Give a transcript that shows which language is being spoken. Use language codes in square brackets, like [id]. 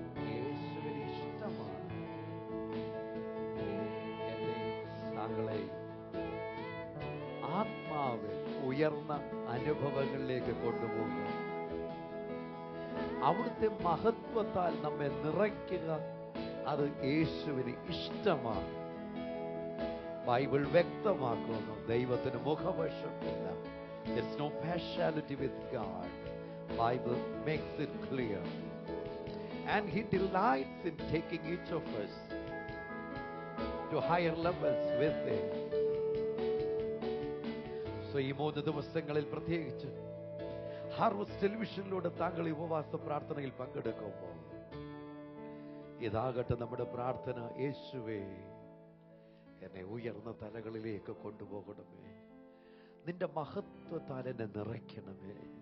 [ml] യേശുവിന് ഇഷ്ടമാണ് എന്റെ താങ്കളെ ആത്മാവിൽ ഉയർന്ന അനുഭവങ്ങളിലേക്ക് കൊണ്ടുപോകുക. അവിടുത്തെ മഹത്വത്താൽ നമ്മെ നിറയ്ക്കുക, അത് യേശുവിന് ഇഷ്ടമാണ്. ബൈബിൾ വ്യക്തമാക്കുന്നു, ദൈവത്തിന് മുഖവശമില്ല. [en] There's no partiality with God. Bible makes it clear. And He delights in taking each of us to higher levels with Him. [ml] So, ഈ മൂന്ന് ദിവസങ്ങളിൽ പ്രത്യേകിച്ച് ഹാർവസ്റ്റ് ടെലിവിഷനിലൂടെ താങ്കൾ ഈ ഉപവാസ പ്രാർത്ഥനയിൽ പങ്കെടുക്കുമ്പോൾ ഇതാകട്ടെ നമ്മുടെ പ്രാർത്ഥന, യേശുവേ എന്നെ ഉയർന്ന തലകളിലേക്ക് കൊണ്ടുപോകണമേ, നിന്റെ മഹത്വത്താൽ എന്നെ നിറയ്ക്കണമേ.